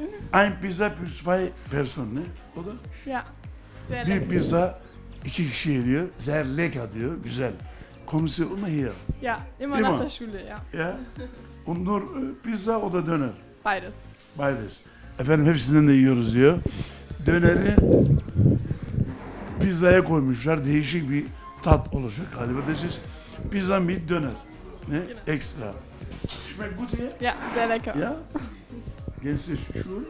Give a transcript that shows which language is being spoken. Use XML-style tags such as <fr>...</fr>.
<de>Ein Pizza für zwei Personen, ne?</de> <tr>O da?</tr> <de>Ja.</de> <tr>Bir pizza iki kişi yiyor.</tr> <de>Sehr lecker</de> <tr>diyor. Güzel.</tr> <de>Kommen Sie immer hier? Ja, immer nach der Schule, ja. Ja. Und nur Pizza oder Döner? Beides. Beides.</de> <tr>Efendim hepsinden de yiyoruz diyor. Döneri pizzaya koymuşlar. Değişik bir tat olacak galiba.</tr> <en>This is</en> <de>pizza mit döner.</de> <tr>Ne?</tr> <de>Ekstra. Schmeckt gut hier? Ja, sehr lecker.</de> <tr>Ja? Gelsin şu</tr>